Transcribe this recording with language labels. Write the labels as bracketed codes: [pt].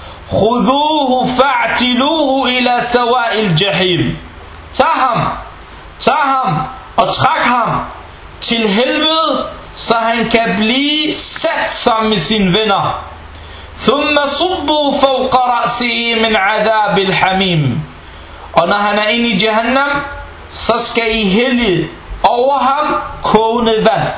[ar] خذوه فاعتلوه إلى سواء الجحيم. [da] Tag ham, tag ham og træk ham til helvede, så han kan blive sat sammen med sine venner. [ar] ثم صبوا فوق رأسه من عذاب الحميم. [da] Og når han er inde i Jahannam, så skal I hælde over ham kogende vand.